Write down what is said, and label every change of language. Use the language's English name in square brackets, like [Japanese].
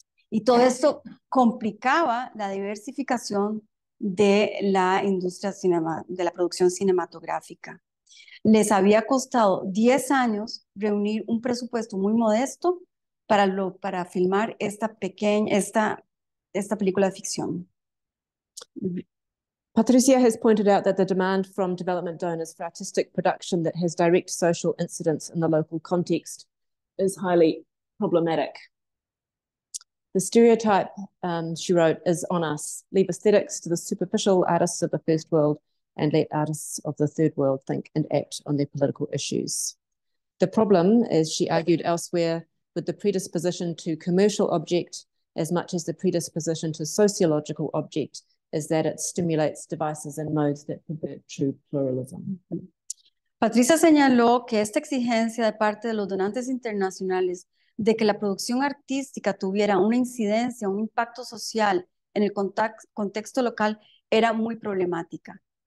[Spanish] Y todo esto complicaba la diversificación de la industria de la producción cinematográfica. Les había costado 10 años reunir un presupuesto muy modesto para filmar esta película de ficción. [English] Patricia has pointed out that the demand from development donors for artistic production that has direct social incidence in the local context is highly problematic. The stereotype, she wrote, is on us. Leave aesthetics to the superficial artists of the first world, and let artists of the third world think and act on their political issues. The problem, as she argued elsewhere, with the predisposition to commercial object as much as the predisposition to sociological object is that it stimulates devices and modes that pervert true pluralism. [Spanish] Patricia señaló que esta exigencia de parte de los donantes internacionales de que la producción artística tuviera una incidencia, un impacto social en el contexto local era muy problemática.